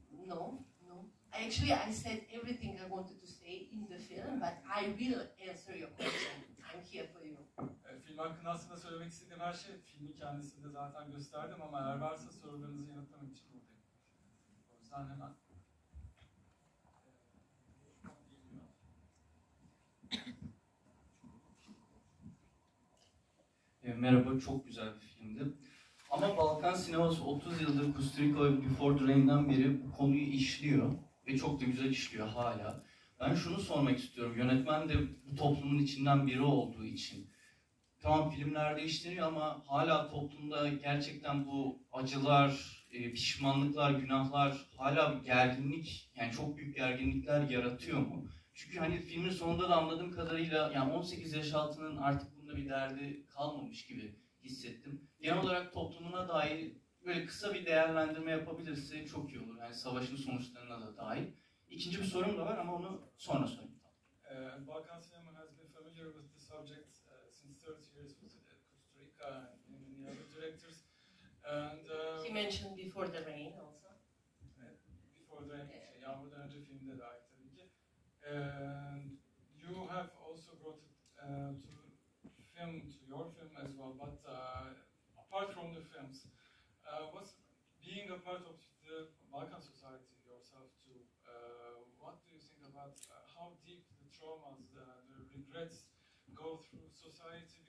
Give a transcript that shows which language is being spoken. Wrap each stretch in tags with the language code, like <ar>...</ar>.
<en>Actually, I said everything I wanted to say in the film, but I will answer your question. I'm here for you.</en> <tr>Film hakkında aslında söylemek istediğim her şey filmi kendisinde zaten gösterdim ama eğer varsa sorularınızı yanıtlamak için buradayım. O yüzden hemen... Merhaba, çok güzel bir filmdi. Ama Balkan sineması 30 yıldır Kusturica ve Before the Rain'den beri bu konuyu işliyor. Ve çok da güzel işliyor hala. Ben şunu sormak istiyorum. Yönetmen de bu toplumun içinden biri olduğu için. Tamam filmler değiştiriyor ama hala toplumda gerçekten bu acılar, pişmanlıklar, günahlar hala bir gerginlik, yani çok büyük gerginlikler yaratıyor mu? Çünkü hani filmin sonunda da anladığım kadarıyla yani 18 yaş altının artık bunda bir derdi kalmamış gibi hissettim. Genel olarak toplumuna dair böyle kısa bir değerlendirme yapabilirse çok iyi olur. Yani savaşın sonuçlarına da dair. İkinci bir sorum da var ama onu sonra sorayım.</tr> <en>Balkan cinema has been familiar with the subject since 30 years with Costa Rica and many other directors. And, he mentioned Before the Rain also.</en> <tr>Before the Rain, okay. Yağmurdan önce filmde dair tabii ki.</tr> <en>You have also brought it to your film as well, but apart from the films, what's being a part of the Balkan society yourself too, what do you think about how deep the traumas, the regrets go through society?</en>